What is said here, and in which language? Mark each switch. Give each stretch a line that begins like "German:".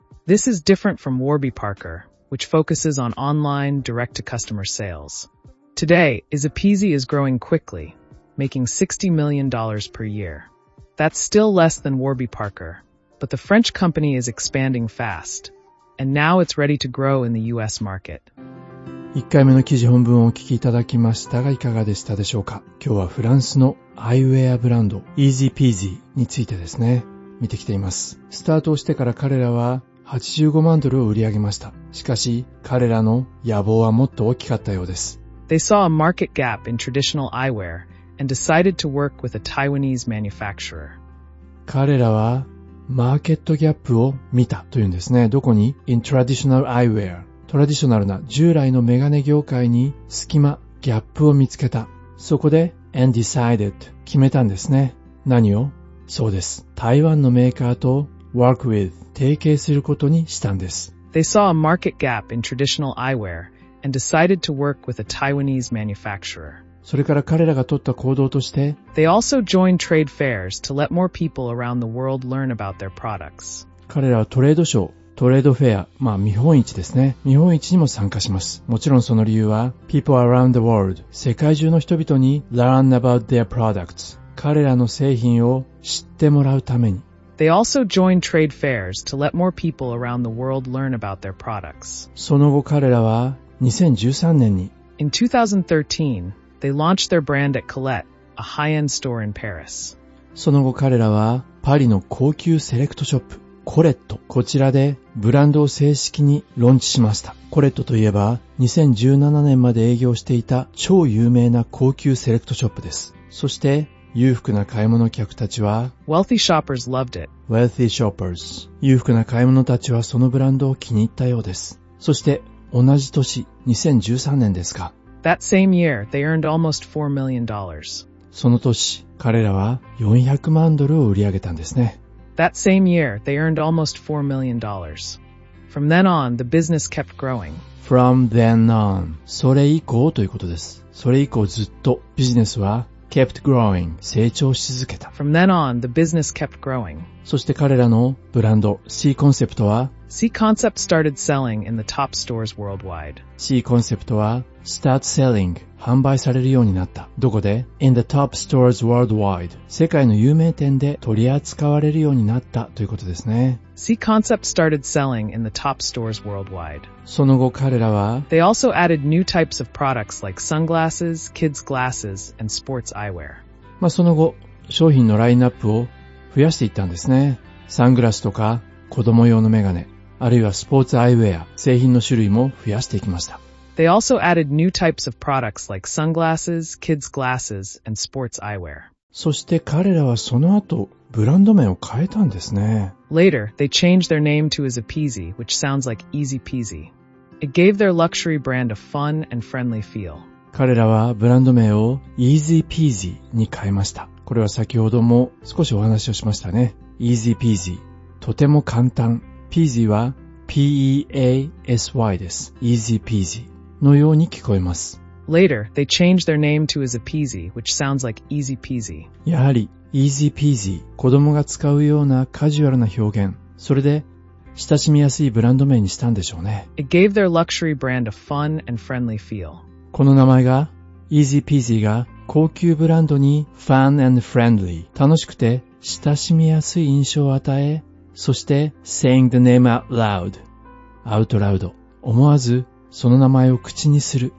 English: This is different from Warby Parker, which focuses on online, direct-to-customer sales. Today, Izapeasy is growing quickly, making $60 million per year. That's still less than Warby Parker, but the French company is expanding fast, and now it's ready to grow in the US market.
Japanese: 1回目の記事本文をお聞きいただきましたが、いかがでしたでしょうか。今日はフランスのアイウェアブランド、Izapeasy についてですね、見てきています。スタートをしてから彼らは85万ドルを売り上げました。しかし、彼らの野望はもっと大きかったようです。
English: They saw a market gap in traditional eyewear and decided to work with a Taiwanese manufacturer.
Japanese: 彼らはマーケットギャップを見たというんですね。どこに
English: ?In traditional eyewear.
Japanese: トラディショナルな従来のメガネ業界に隙間、ギャップを見つけた。そこで
English: and decided
Japanese: 決めたんですね。何を?そうです。台湾のメーカーと
English: work with
Japanese: 提携することにしたんです。
English: They saw a market gap in traditional eyewear. And decided to work with a Taiwanese manufacturer.
Japanese: それから彼らが取った行動として
English: They also joined trade fairs to let more people around the world learn about their products.
Japanese: 彼らはトレードショー、トレードフェア、まあ見本市ですね。見本市にも参加します。もちろんその理由は
English: People around the world.
Japanese: 世界中の人々に
English: Learn about their products.
Japanese: 彼らの製品を知ってもらうために
English: They also joined trade fairs to let more people around the world learn about their products.
Japanese: その後彼らは2013年に。
English: In 2013, they launched their brand at Colette, a high-end store in Paris.
Japanese: その後彼らはパリの高級セレクトショップ、コレット、こちらでブランドを正式にローンチしました。コレットといえば2017年まで営業していた超有名な高級セレクトショップです。そして裕福な買い物客たちは
English: Wealthy shoppers loved it. Wealthy shoppers.
Japanese: 裕福な買い物たちはそのブランドを気に入ったようです。そして同じ年、2013年ですか。
English: That same year, they earned almost $4 million.
Japanese: その年、彼らは400万ドルを売り上げたんですね。
English: That same year, they earned almost $4 million. From then on, the business kept growing. From then on.
Japanese: それ以降ということです。それ以降ずっとビジネスは
English: kept growing.
Japanese: 成長し続けた。
English: From then on, the business kept growing.
Japanese: そして彼らのブランド、C コンセプトは
English: C Concept started selling in the top stores worldwide.
Japanese: C Concept は
English: start selling
Japanese: 販売されるようになった。どこで?
English: In the top stores worldwide.
Japanese: 世界の有名店で取り扱われるようになったということですね。
English: C Concept started selling in the top stores worldwide.
Japanese: その後彼らは
English: They also added new types of products like sunglasses, kids glasses, and sports eyewear.
Japanese: まあその後商品のラインナップを増やしていったんですね。サングラスとか子供用のメガネ、あるいはスポーツアイウェア、製品の種類も増やしていきました。
English: They also added new types of products like sunglasses, kids glasses, and sports eyewear.
Japanese: そして彼らはその後、ブランド名を変えたんですね。
English: Later, they changed their name to Ezepeasy, which sounds like easy peasy. It gave their luxury brand a fun and friendly feel.
Japanese: 彼らはブランド名を Easy Peasy に変えました。これは先ほども少しお話をしましたね。 Easy Peasy。 とても簡単。Peasy は P-E-A-S-Y です。 Easy Peasy のように聞こえます。
English: Later, they changed their name to Ezepeasy, which sounds like Easy Peasy.
Japanese: やはり Easy Peasy、子供が使うようなカジュアルな表現、それで親しみやすいブランド名にしたんでしょうね。
English: It gave their luxury brand a fun and friendly feel.
Japanese: この名前が Easy Peasy が高級ブランドに
English: fun and friendly、
Japanese: 楽しくて親しみやすい印象を与え、そして
English: saying the name out loud
Japanese: out loud 思わずその名前を口にする